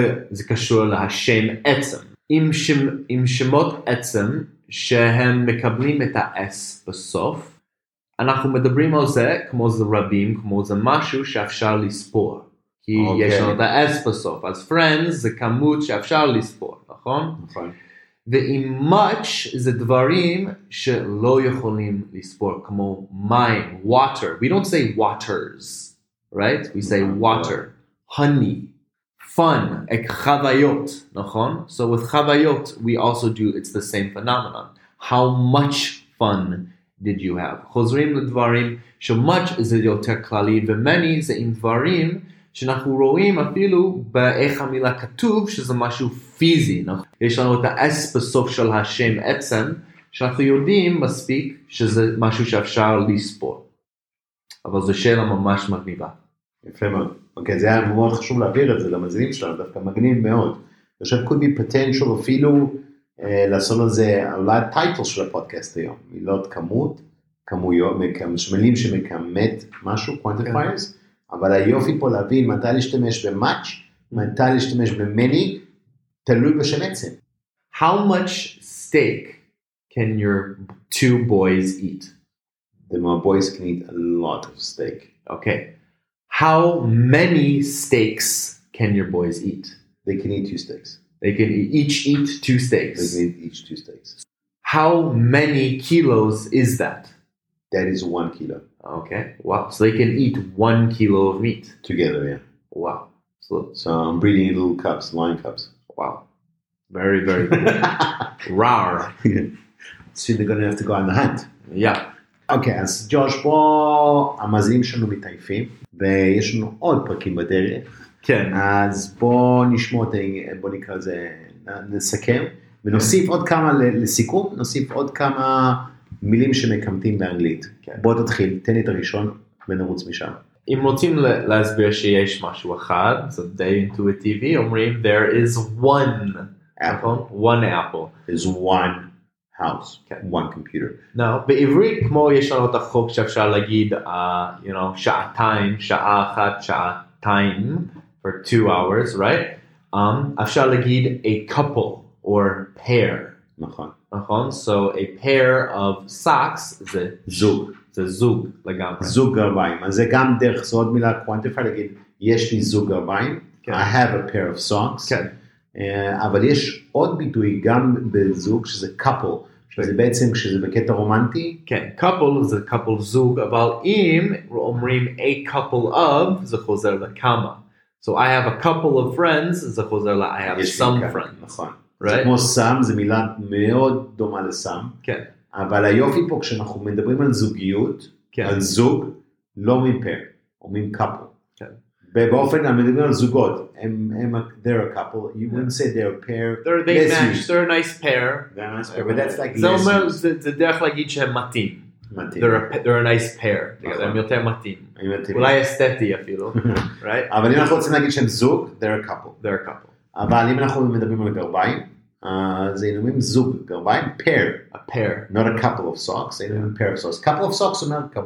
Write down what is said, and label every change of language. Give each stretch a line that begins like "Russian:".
Hebrew: זה קשור להשם עצם. עם שמות עצם שהם מקבלים את ה-S בסוף, אנחנו מדברים על זה כמו זה רבים, כמו זה משהו שאפשר לספור. כי okay. יש לנו את ה-S בסוף. אז friends זה כמות שאפשר לספור, נכון? נכון. ועם much זה דברים שלא יכולים לספור, כמו mine, water.
English: We don't say waters, right? We say water. Honey.
Hebrew: Fun, חוויות, נכון?
English: So with חוויות, we also do, it's the same phenomenon. How much fun did you have?
Hebrew: חוזרים לדברים, שמוץ זה יותר כללי, ומני זה עם דברים שאנחנו רואים אפילו באיך המילה כתוב, שזה משהו פיזי, נכון? יש לנו את האס בסוף של השם עצם, שאנחנו יודעים מספיק שזה משהו שאפשר לספור. אבל זו שאלה ממש מגניבה. יפה מאוד. אוקיי, זה היה מאוד חשוב להעביר את זה למזינים שלנו, דווקא מגניב מאוד. יושב
English: could be potential
Hebrew: אפילו לעשות לזה אולי הטייטל של הפודקאסט היום, מילות כמות, כמויות, משמלים שמכמת משהו, quantifiers, אבל היופי פה להבין מתי להשתמש ב-much, מתי להשתמש ב-many, תלוי בשם עצם.
English: How much steak can your two boys eat? Then my boys can eat a lot of steak. Okay. How many steaks can your boys eat? They can eat 2 steaks. They can eat two steaks. They can eat each 2 steaks. How many kilos is that? That is 1 kilo. Okay. Wow. So they can eat 1 kilo of meat. Together, yeah. Wow. So I'm breeding in little cups, lion cups. Wow. Very, very good. Rawr. So they're going to have to go on the hunt. Yeah.
Hebrew: אוקיי, אז ג'וש, בוא, המאזינים שלנו מתעייפים, ויש לנו עוד פרקים בדרך. כן. אז בוא נשמע את זה, בוא נקרא את זה, נסכם, ונוסיף עוד כמה לסיכום, נוסיף עוד כמה מילים שמקמתים באנגלית. בוא תתחיל, תן לי את הראשון, ונרוץ משם. אם רוצים להסביר שיש משהו אחד, זה די אינטואיטיבי, אומרים,
English: there is one apple. One apple. There's one. House, okay. One computer.
Hebrew: No, בעברית כמו יש לנו את החוק שאפשר להגיד,
English: you know,
Hebrew: שעתיים, שעה אחת, שעתיים,
English: for 2 hours, right?
Hebrew: אפשר להגיד a couple or pair. נכון. נכון?
English: So a pair of socks
Hebrew: זה זוג. זה זוג לגמרי. זוג גרביים. אז זה גם דרך, זו עוד מילה quantify, להגיד, יש לי זוג גרביים.
English: Okay. I have a pair of socks.
Hebrew: כן. Okay. אבל יש עוד ביטוי גם בזוג שזה couple, שזה בעצם כשזה בקטע רומנטי. כן, couple זה couple זוג, אבל אם אומרים a couple of, זה חוזר לכמה.
English: So I have a couple of friends,
Hebrew: זה חוזר ל-
English: I have some friends.
Hebrew: נכון.
English: Right?
Hebrew: זה כמו some, זה מילה מאוד דומה לסם. כן. אבל היופי פה כשאנחנו מדברים על זוגיות, כן. על זוג, לא מפר. אומרים couple. כן. באופן, אני מדבר על זוגות.
English: They're a couple. You wouldn't say they're a pair. They're a nice pair. They're a nice pair.
Hebrew: זה דרך להגיד שהם מתאים.
English: They're a nice pair.
Hebrew: הם יותר מתאים. אולי אסתטי אפילו. אבל אם אנחנו רוצים להגיד שהם זוג,
English: they're a couple. They're a couple.
Hebrew: אבל אם אנחנו מדברים על גרביים, זה אינומים זוג, גרביים, pair.
English: A pair. Not a couple of socks, אינומים yeah. pair of socks. Couple of socks אומר